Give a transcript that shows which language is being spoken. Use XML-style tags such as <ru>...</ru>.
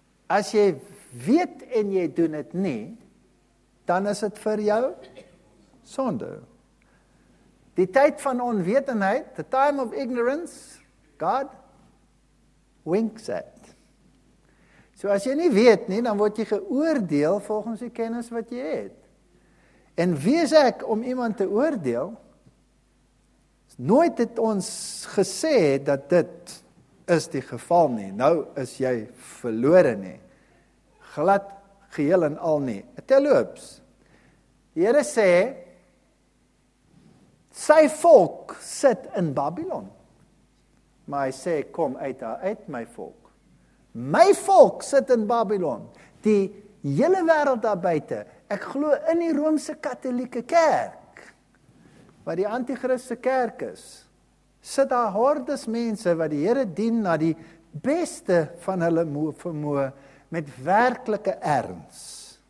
<af>As jy weet en jy doen dit nie, dan is dit vir jou sonde. Die tyd van onwetendheid,</af> <en>the time of ignorance, God winks at.</en> <af>So as jy nie weet nie, dan word jy geoordeel volgens die kennis wat jy het. En wie is ek om iemand te oordeel? Nooit het ons gesê dat dit is die geval nie. Nou is jy verlore nie. Glad geheel en al nie. Terloops, die Here sê, sy volk sit in Babylon. Maar hy sê, kom uit daar uit my volk. My volk sit in Babylon. Die hele wêreld daar buite. Ek glo in die Romeinse Katolieke Kerk, wat die anti-christelike kerk is, sit daar hordes mense wat die Here dien na die beste van hulle vermoë met werklike erns.</af>